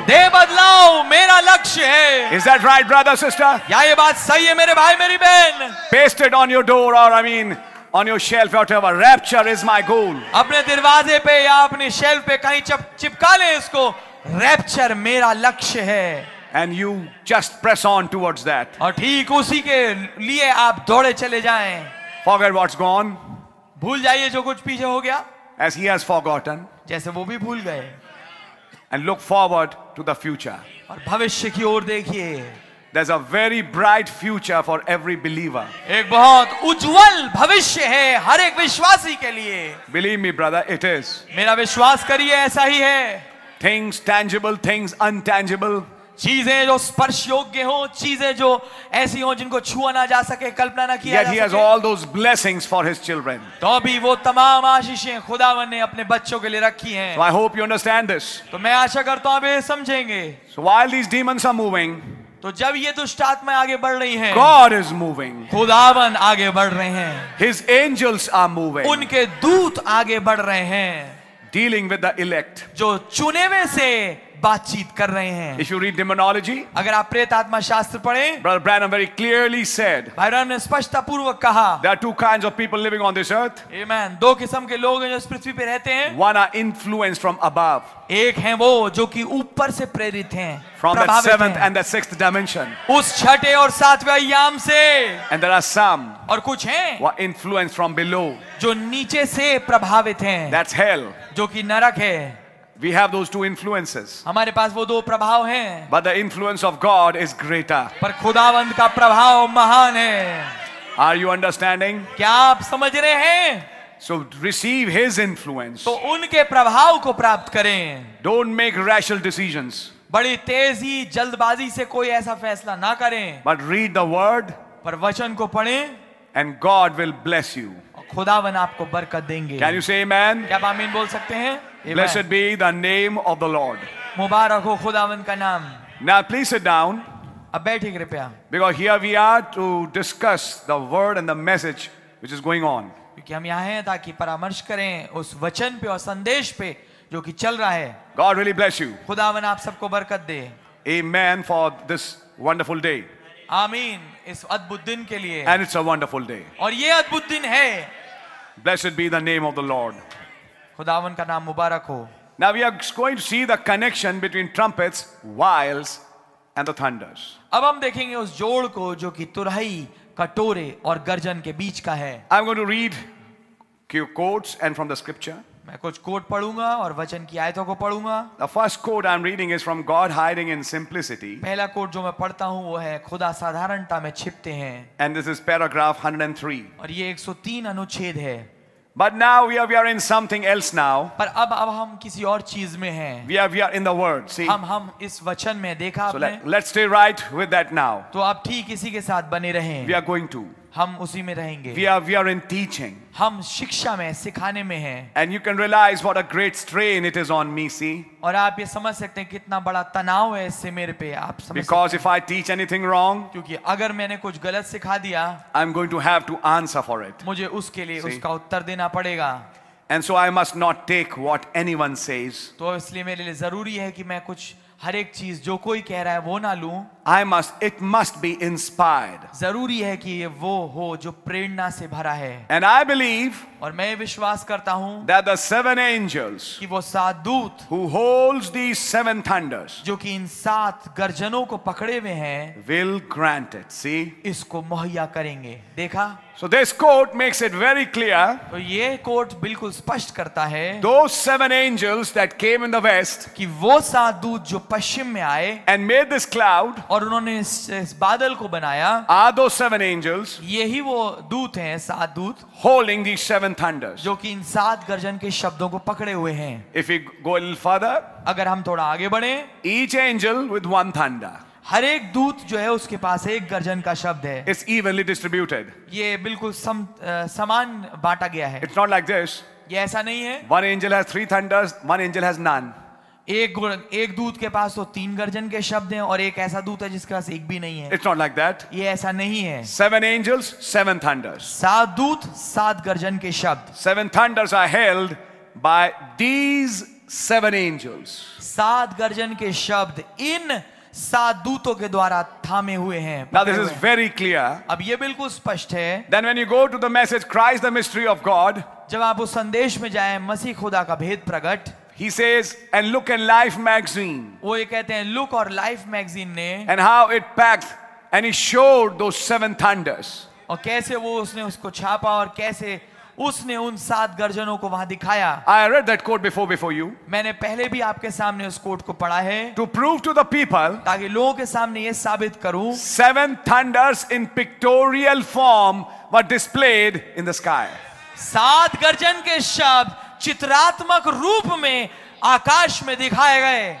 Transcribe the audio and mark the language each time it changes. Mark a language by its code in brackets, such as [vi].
[hi] देह बदलाव मेरा लक्ष्य है [en] is that right brother sister [hi] या ये बात सही है मेरे भाई मेरी बहन [en] Pasted on your door और I mean On your shelf, whatever. Rapture is my goal. [hi] अपने दरवाजे पे या अपने shelf पे कहीं चिपका लें इसको. Rapture मेरा लक्ष्य है. [en] And you just press on towards that. [hi] और ठीक उसी के लिए आप दौड़े चले जाएं. [en] Forget what's gone. [hi] भूल जाइए जो कुछ पीछे हो गया. [en] As he has forgotten. [hi] जैसे वो भी भूल गए. [en] And look forward to the future. [hi] और भविष्य की ओर देखिए. [en] There's a very bright future for every believer. [hi] एक बहुत उज्जवल भविष्य है हर एक विश्वासी के लिए. [en] Believe me, brother, it is. [hi] मेरा विश्वास करिए ऐसा ही है. [en] Things tangible, things untangible. [hi] चीजें जो स्पर्श योग्य हो, चीजें जो ऐसी हो जिनको छुआ ना जा सके, कल्पना ना किया जा सके. [en] Yet he has all those blessings for his children. [hi] तो भी वो तमाम आशीषें खुदावन ने अपने बच्चों के लिए रखी हैं. [en] So I hope you understand this. [hi] तो मैं आशा करता हूँ आप ये समझेंगे. [en] So while these demons are moving. [hi] तो जब ये दुष्ट आत्माएं आगे बढ़ रही हैं, [en] God is moving. [hi] खुदावन आगे बढ़ रहे हैं, [en] His angels are moving. [hi] उनके दूत आगे बढ़ रहे हैं, [en] dealing with the elect. [hi] जो चुने हुए से बातचीत कर रहे हैं. [en] If you read demonology, [hi] अगर आप प्रेत आत्मा शास्त्र पढ़ें, [en] Brother Branham very clearly said, [hi] भाई ब्रैनम ने स्पष्टता पूर्वक कहा, [en] there are two kinds of people living on this earth. Amen. [hi] दो किस्म के लोग हैं जो इस पृथ्वी पे रहते हैं. [en] One are influenced from above. [hi] एक हैं वो जो कि ऊपर से प्रेरित हैं, [en] from that seventh and that sixth dimension. [hi] उस छठे और सातवें आयाम से. [en] And there are some. [hi] और कुछ हैं. [en] Who are influenced from below. [hi] जो नीचे से प्रभावित हैं. [en] That's hell. [hi] जो कि नरक है. [en] We have those two influences. [hi] हमारे पास वो दो प्रभाव हैं. [en] But the influence of God is greater. [hi] पर खुदावंद का प्रभाव महान है. [en] Are you understanding? [hi] क्या आप समझ रहे हैं? [en] So receive his influence. [hi] तो उनके प्रभाव को प्राप्त करें. [en] Don't make rational decisions. [hi] बड़ी तेजी जल्दबाजी से कोई ऐसा फैसला ना करें. [en] But read the word. [hi] पर वचन को पढ़ें. [en] And God will bless you. [hi] खुदावन आपको बरकत देंगे. [en] Can you say amen? [hi] क्या आप आमीन बोल सकते हैं? [en] Blessed be the name of the Lord. [hi] मुबारक हो खुदावन का नाम. [en] Now please sit down. [hi] अब बैठिए कृपया. [en] Because here we are to discuss the word and the message which is going on. [hi] क्योंकि हम यहाँ हैं ताकि परामर्श करें उस वचन पे और संदेश पे जो कि चल रहा है. [en] God really bless you. [hi] खुदावन आप सबको बरकत दे. [en] Amen for this wonderful day. [hi] आमीन इस अद्भुत दिन के लिए. [en] And it's a wonderful day. [hi] और ये अद्भुत दिन है. [en] Blessed be the name of the Lord. [hi] खुदावन का नाम मुबारक हो. [en] Now we are going to see the connection between trumpets, vials, and the thunders. [hi] अब हम देखेंगे उस जोड़ को जो कि तुरही कटोरे और गर्जन के बीच का है. [en] I'm going to read few quotes and from the scripture. [hi] मैं कुछ कोट पढ़ूंगा और वचन की आयतों को पढ़ूंगा. [en] The first quote I'm reading is from God hiding in simplicity. [hi] पहला कोट जो मैं पढ़ता हूं वो है खुदा साधारणता में छिपते हैं. [en] And this is paragraph 103. [hi] और ये 103 अनुच्छेद है. [en] But now we are in something else now. [hi] पर अब हम किसी और चीज में हैं. [en] We are in the word. See. [hi] हम इस वचन में देखा आपने. [en] So let's stay right with that now. [hi] तो आप ठीक इसी के साथ बने रहें. [en] We are going to. [hi] हम उसी में रहेंगे. [en] We are in teaching. [hi] हम शिक्षा में सिखाने में हैं. [en] And you can realize what a great strain it is on me. See. [hi] और आप ये समझ सकते हैं कितना बड़ा तनाव है इससे मेरे पे. आप समझ. [en] Because if I teach anything wrong. [hi] क्योंकि अगर मैंने कुछ गलत सिखा दिया. [en] I'm going to have to answer for it. [hi] मुझे उसके लिए उसका उत्तर देना पड़ेगा. [en] And so I must not take what anyone says. [hi] तो इसलिए मेरे लिए जरूरी है कि मैं कुछ हर एक चीज जो कोई कह रहा है वो ना लूं. [en] It must be inspired. [hi] जरूरी है कि ये वो हो जो प्रेरणा से भरा है. [en] And I believe. [hi] और मैं विश्वास करता हूं. [en] That the seven angels. [hi] कि वो सात दूत. [en] Who holds these seven thunders. [hi] जो कि इन सात गर्जनों को पकड़े हुए हैं. [en] Will grant it. See. [hi] इसको मुहैया करेंगे. देखा. [en] So this quote makes it very clear. [hi] तो ये कोट बिल्कुल स्पष्ट करता है. [en] Those seven angels that came in the west. [hi] कि वो सात दूत जो पश्चिम में आए. [en] And made this cloud. [hi] और उन्होंने इस बादल को बनाया. [en] Are those seven angels? [hi] यही वो दूत हैं सात दूत. [en] Holding these seven thunders. [hi] जो कि इन सात गर्जन के शब्दों को पकड़े हुए हैं. [en] If we go a little further. [hi] अगर हम थोड़ा आगे बढ़े. [en] Each angel with one thunder. [hi] हर एक दूत जो है उसके पास एक गर्जन का शब्द है. [en] It's evenly distributed. [hi] ये बिल्कुल समान बांटा गया है. [en] It's not like this. [hi] ये ऐसा नहीं है. [en] One angel has three thunders, one angel has none. [hi] एक दूत के पास तो तीन गर्जन के शब्द हैं और एक ऐसा दूत है जिसके पास एक भी नहीं है. [en] It's not like that. [hi] ये ऐसा नहीं है. [en] Seven angels, seven thunders. [hi] सात दूत सात गर्जन के शब्द. [en] Seven thunders are held by these seven angels. [hi] सात गर्जन के शब्द इन सात दूतों के द्वारा थामे हुए हैं. [en] Now this is very clear. [hi] अब ये बिल्कुल स्पष्ट है. [en] Then when you go to the message, Christ the mystery of God. [hi] जब आप उस संदेश में जाएं मसीह खुदा का भेद प्रकट. [en] He says, and look in Life magazine. [hi] वो ये कहते हैं look और Life magazine ने. [en] And how it packed and he showed those seven thunders. [hi] और कैसे वो उसने उसको छापा और कैसे उसने उन सात गर्जनों को वहां दिखाया. [en] I read that quote before you. [hi] मैंने पहले भी आपके सामने उस कोट को पढ़ा है. [en] To prove to the people. [hi] ताकि लोगों के सामने ये साबित करूं. [en] Seven thunders in pictorial form were displayed in the sky. [hi] सात गर्जन के शब्द चित्रात्मक रूप में आकाश में दिखाए गए.